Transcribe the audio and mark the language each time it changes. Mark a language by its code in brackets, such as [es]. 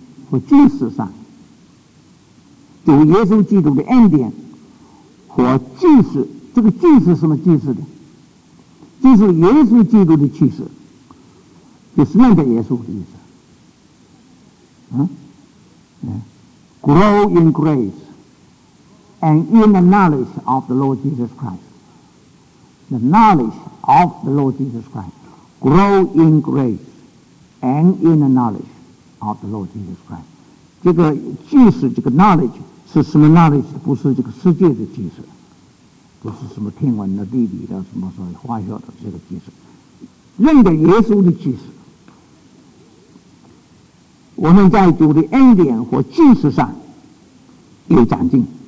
[zh] 活祭司上，主耶稣基督的恩典活祭司，这个祭司什么祭司的？就是耶稣基督的祭司，就是认得耶稣的意思。 [en] Grow in grace and in the knowledge of the Lord Jesus Christ. The knowledge of the Lord Jesus Christ. Grow in grace and in the knowledge of the Lord Jesus Christ. [zh] 这个即使这个 knowledge 是什么 knowledge？ 不是这个世界的即使，不是什么天文的、地理的、什么什么化学的这个即使，认得耶稣的即使。我们在主的恩典和知识上有长进。